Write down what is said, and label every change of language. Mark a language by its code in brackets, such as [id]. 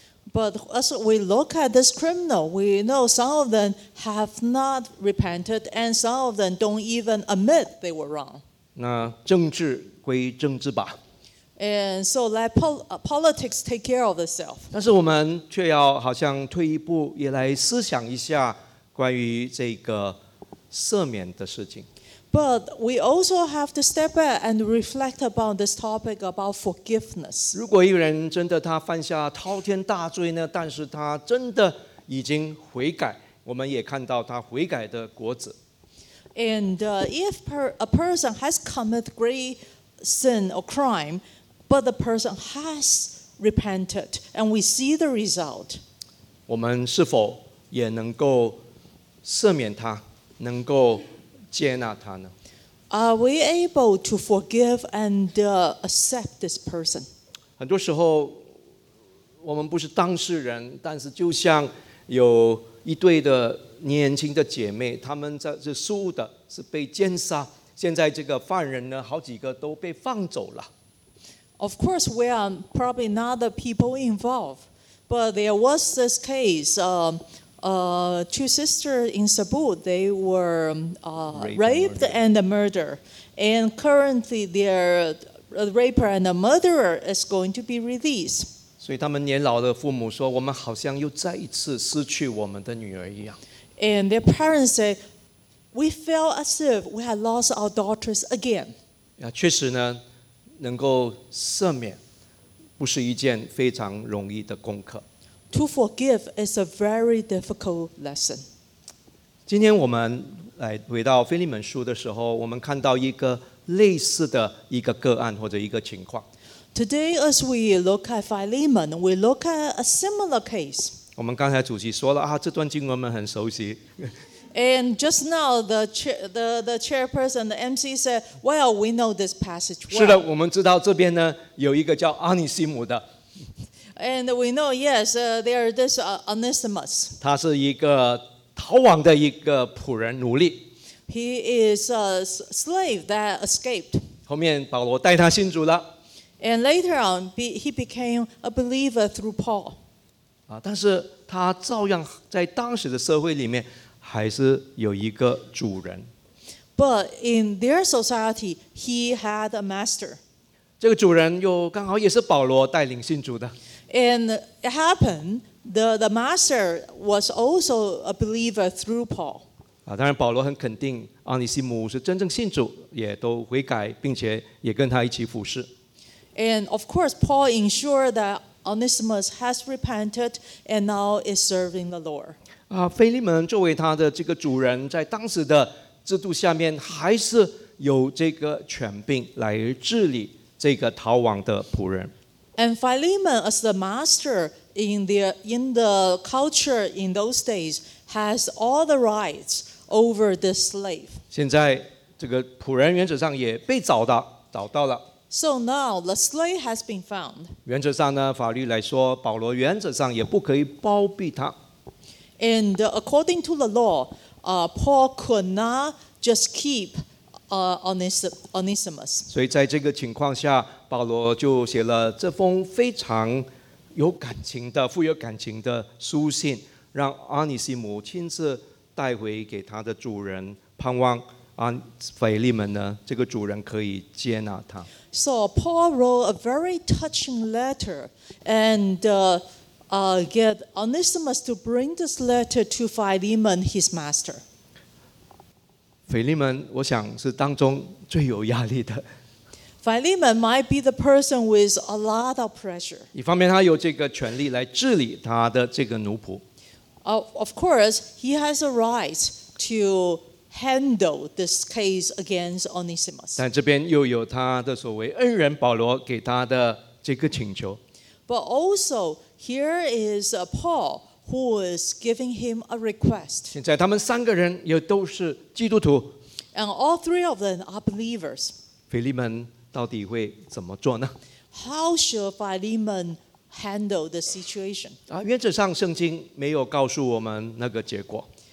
[en] But as we look at this criminal, we know some of them have not repented, and some of them don't even admit they were wrong. [zh] 那政治归政治吧。 [en] And so let politics take care of itself. [zh] 但是我们却要好像退一步，也来思想一下关于这个赦免的事情。 [en] But we also have to step back and reflect about this topic about forgiveness. [zh] 如果一个人真的他犯下滔天大罪呢，但是他真的已经悔改，我们也看到他悔改的果子。 [en] And if a person has committed great sin or crime,But the person has repented, and we see the result. [zh] 我们是否也能够赦免他，能够接纳他呢？ [en] Are we able to forgive and accept this person? [zh] 很多时候，我们不是当事人，但是就像有一对的年轻的姐妹，她们在是输的，是被奸杀。现在这个犯人呢，好几个都被放走了。 [en] Of course, we are probably not the people involved, but there was this case. Two sisters in Cebu, they were raped and murdered. And currently, their raper and the murderer is going to be released. [zh] 所以他们年老的父母说，我们好像又再一次失去我们的女儿一样。 [en] And their parents say, we feel as if we had lost our daughters again. [zh] 确实呢。能够赦免，不是一件非常容易的功课。 [en] To forgive is a very difficult lesson. [zh] 今天我们来回到腓立门书的时候，我们看到一个类似的一个个案或者一个情况。 [en] Today, as we look at Philemon, we look at a similar case. [zh] 我们刚才主席说了这段经文我们很熟悉。 [en] And just now, the chairperson, the MC said, "Well, we know this passage well." [zh] 是的，我们知道这边呢有一个叫阿尼西姆的。 [en] And we know, yes, there is this Onesimus. [zh] 他是一个逃亡的一个仆人奴隶。 [en] He is a slave that escaped. [zh] 后面保罗带他信主了。 [en] And later on, he became a believer through Paul. [zh] 但是他照样在当时的社会里面。还是有一个主人。 [en] But in their society, he had a master. [zh] 这个主人又刚好也是保罗带领信主的。 [en] And it happened, the master was also a believer through Paul. [zh] 当然保罗很肯定奥尼西姆是真正信主，也都悔改，并且也跟他一起服侍。 [en] And of course, Paul ensured that Onesimus has repented and now is serving the Lord. [zh] 腓利门作为他的这个主人，在当时的制度下面，还是有这个权柄来治理这个逃亡的仆人。 [en] And Philemon, as the master in the culture in those days, has all the rights over the slave. [zh] 现在这个仆人原则上也被找到了。 [en] So now the slave has been found. [zh] 原则上呢，法律来说，保罗原则上也不可以包庇他。 [en] And according to the law, Paul could not just keep Onesimus. [zh] 所以在这个情况下，保罗就写了这封非常有感情的、富有感情的书信，让阿尼西姆亲自带回给他的主人，盼望腓利门呢，这个主人可以接纳他。 [en] So Paul wrote a very touching letter and get Onesimus to bring this letter to Philemon, his master. [zh] 腓利门，我想是当中最有压力的。 [en] Philemon might be the person with a lot of pressure. [zh] 一方面，他有这个权力来治理他的这个奴仆。 [en] Of course, he has a right to handle this case against Onesimus. [zh] 但这边又有他的所谓恩人保罗给他的这个请求。 [en] But also, here is Paul who is giving him a request. [zh] 现在他们三个人也都是基督徒。 [en] And all three of them are believers. [zh] 腓利门到底会怎么做呢？ [en] How should Philemon handle the situation? [zh] 原则上圣经没有告诉我们那个结果。